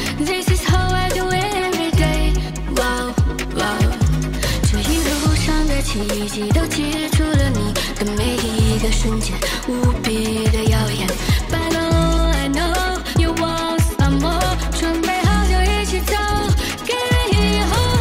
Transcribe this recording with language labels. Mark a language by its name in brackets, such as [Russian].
[English] This is how I do it every day. Wow, wow. [Chinese] 这一路上的奇迹都记住了你的每一个瞬间，无比的耀眼。 [English] But all I know, you want some more. [Chinese] 准备好就一起走，给你以后。